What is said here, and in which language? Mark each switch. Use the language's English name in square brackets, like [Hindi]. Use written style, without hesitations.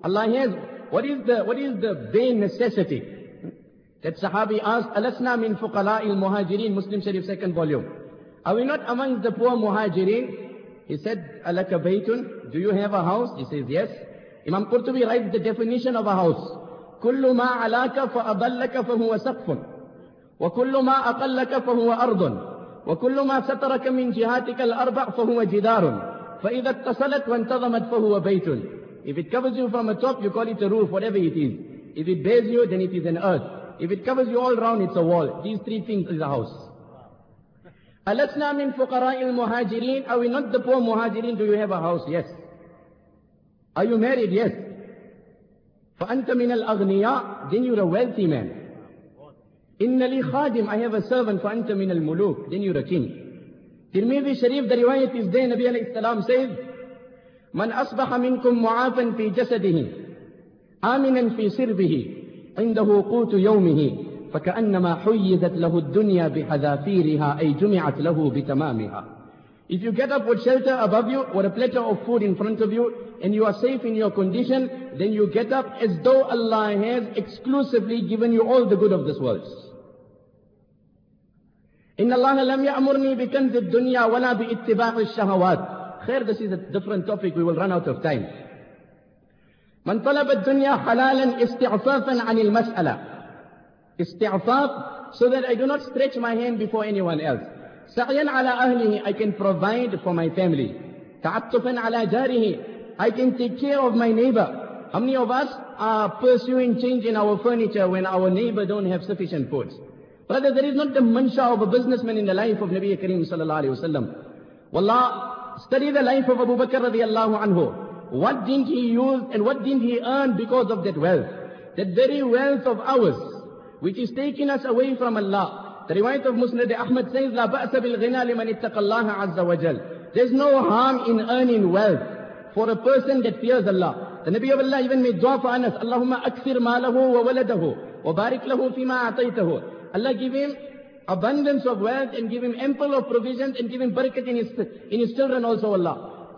[English] Allah has, what is the bare necessity? That Sahabi asked, [Arabic] Alasna min fuqala'il muhajirin, [English] Muslim Sharif second volume. Are we not amongst the poor muhajirin? He said, [Arabic] Alaka baytun, [English] do you have a house? He says, yes. Imam Qurtubi writes the definition of a house. [Arabic] كل ما علاك فأضلك فهو سقف وكل ما أقلك فهو أرض وكل ما سترك من جهاتك الأربع فهو جدار فإذا اتصلت وانتظمت فهو بيت. [English] If it covers you from a top, you call it a roof, whatever it is. If it bears you, then it is an earth. If it covers you all round, it's a wall. These three things is a house. [Arabic] ألسنا من فقراء المهاجرين. [English] Are we not the poor muhajirin? Do you have a house? Yes. Are you married? Yes. [Arabic] فَأَنْتَ مِنَ الْأَغْنِيَاءِ. [English] Then you're a wealthy man. [Arabic] إِنَّ لِي خَادِمْ. [English] I have a servant. [Arabic] فَأَنْتَ مِنَ الْمُلُوكِ. [English] Then you're a king. Tirmidhi Sharif, the riwayat is there. Nabi alayhi salam says, [Arabic] مَنْ أَصْبَحَ مِنْكُمْ مُعَافًا فِي جَسَدِهِ آمِنًا فِي سِرْبِهِ عِنْدَهُ قُوتُ يَوْمِهِ فكأنما حيدت له الدنيا بحذافيرها أي جمعت له بتمامها. [English] If you get up with shelter above you, with a platter of food in front of you, and you are safe in your condition, then you get up as though Allah has exclusively given you all the good of this world. [Arabic] إِنَّ اللَّهَ لَمْ يَأْمُرْنِي بِكَنْزِ الدُّنْيَا وَلَا بِإِتِّبَاعِ الشَّهَوَاتِ. [English] Khair, this is a different topic, we will run out of time. [Arabic] مَنْ طَلَبَ الدُّنْيَا حَلَالًا إِسْتِعْفَافًا عَنِ الْمَسْأَلَةِ. [English] إِسْتِعْفَاف, so that I do not stretch my hand before anyone else. [Arabic] سَعْيًا عَلَى أَهْلِهِ, [English] I can provide for my family. [Arabic] تَعَطُّفًا عَلَى جَارِهِ, [English] I can take care of my neighbor. How many of us are pursuing change in our furniture when our neighbor don't have sufficient food? Brother, there is not the mansha of a businessman in the life of Nabi Kareem sallallahu alayhi wa sallam. Wallah, study the life of Abu Bakr radiallahu anhu. What didn't he use and what didn't he earn because of that wealth? That very wealth of ours, which is taking us away from Allah. The riwayat of Musnad Ahmad says, [Arabic] لَا بَأْسَ بِالْغِنَى لِمَنْ اتَّقَ اللَّهَ عَزَّ وَجَلَّ. [English] There's no harm in earning wealth for a person that fears Allah. The Nabi of Allah even made dua for Anas, [Arabic] اللَّهُمَّ أَكْثِرْ مَالَهُ وَوَلَدَهُ وَبَارِكْ لَهُ فِيمَا أَعْطَيْتَهُ. [English] Allah give him abundance of wealth and give him ample of provisions and give him barakat in his children also, Allah.